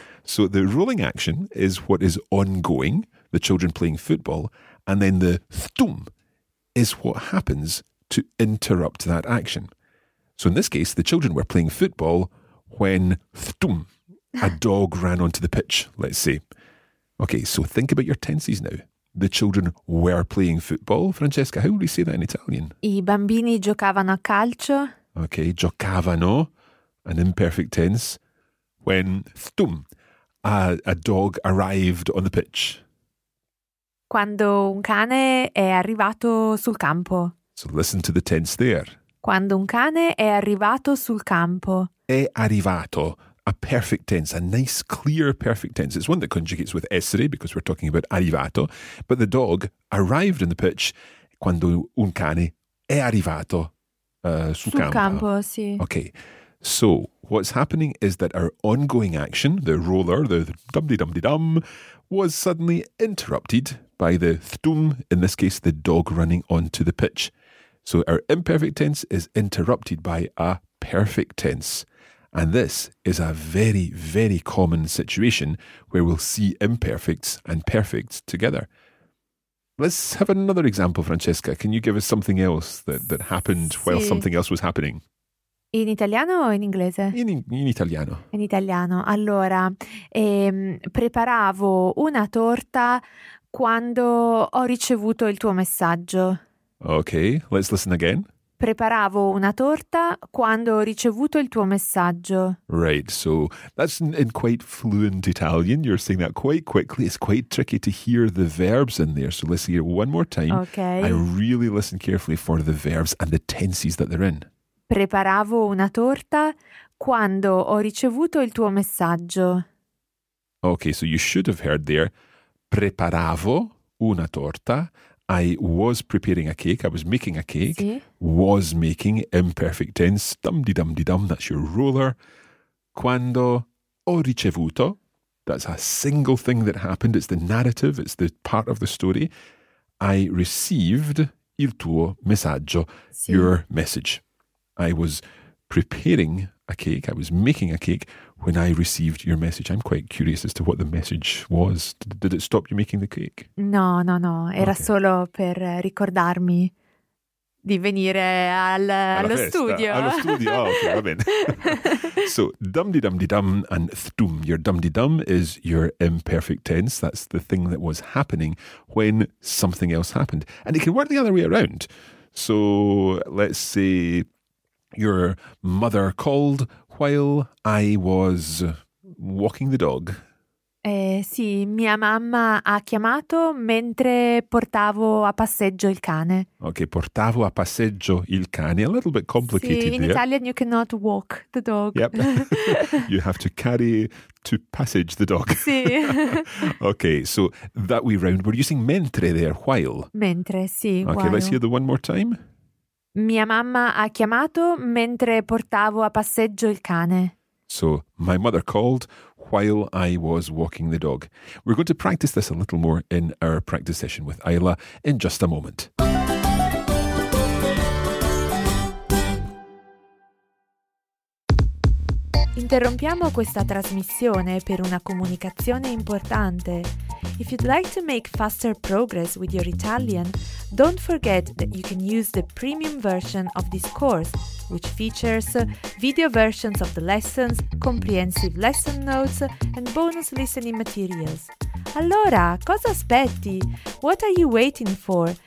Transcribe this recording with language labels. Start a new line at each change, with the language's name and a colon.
English: So the rolling action is what is ongoing, the children playing football, and then the thtum is what happens to interrupt that action. So in this case, the children were playing football when thtum, a dog ran onto the pitch, let's say. Okay, so think about your tenses now. The children were playing football. Francesca, how would we say that in Italian?
Italian: I bambini giocavano a calcio.
English: Okay, giocavano, an imperfect tense, when thtum. A dog arrived on the pitch.
Italian: Quando un cane è arrivato sul campo.
English: So listen to the tense there.
Italian: Quando un cane è arrivato sul campo. È arrivato.
English: A perfect tense. A nice, clear, perfect tense. It's one that conjugates with essere because we're talking about arrivato. But the dog arrived on the pitch.
Italian: Quando un cane è arrivato sul campo. Sì.
English: Okay. So what's happening is that our ongoing action, the roller, the dum-de-dum-de-dum, was suddenly interrupted by the thtum, in this case, the dog running onto the pitch. So our imperfect tense is interrupted by a perfect tense. And this is a very, very common situation where we'll see imperfects and perfects together. Let's have another example, Francesca. Can you give us something else that happened while something else was happening?
Italian: In italiano o in inglese? In italiano. In italiano. Allora, preparavo una torta quando ho ricevuto il tuo messaggio.
English: Ok, let's listen again.
Italian: Preparavo una torta quando ho ricevuto il tuo messaggio.
English: Right, so that's in quite fluent Italian. You're saying that quite quickly. It's quite tricky to hear the verbs in there. So let's hear it one more time. Okay. I really listen carefully for the verbs and the tenses that they're in.
Italian: Preparavo una torta quando ho ricevuto il tuo messaggio.
English: Okay, so you should have heard there.
Italian: Preparavo una torta.
English: I was preparing a cake. I was making a cake.
Italian: Sì.
English: Was making, imperfect tense. Dum-de-dum-de-dum, that's your ruler.
Italian: Quando ho ricevuto.
English: That's a single thing that happened. It's the narrative. It's the part of the story. I received
Italian: il tuo messaggio. Sì.
English: Your message. I was preparing a cake. I was making a cake when I received your message. I'm quite curious as to what the message was. Did it stop you making the cake?
Italian: No. Era okay. Solo per ricordarmi di venire allo festa, studio. Allo studio, oh, okay, va bene.
English: So, dum-di-dum-di-dum and thtum. Your dum-di-dum is your imperfect tense. That's the thing that was happening when something else happened. And it can work the other way around. So, let's say your mother called while I was walking the dog.
Italian: Sì, mia mamma ha chiamato mentre portavo a passeggio il cane. Ok, portavo a passeggio il cane.
English: A little bit complicated there. Sì, in there. Italian you cannot walk the dog. Yep. You have to carry to passage the dog.
Italian: Sì.
English: Ok, so that way round. We're using mentre there, while.
Italian: Mentre, sì.
English: Ok, while. Let's hear the one more time. Mia mamma ha chiamato mentre portavo a passeggio il cane. So, my mother called while I was walking the dog. We're going to practice this a little more in our practice session with Ayla in just a moment.
Italian: Interrompiamo questa trasmissione per una comunicazione importante.
English: If you'd like to make faster progress with your Italian, don't forget that you can use the premium version of this course, which features video versions of the lessons, comprehensive lesson notes, and bonus listening materials.
Italian: Allora, cosa aspetti?
English: What are you waiting for?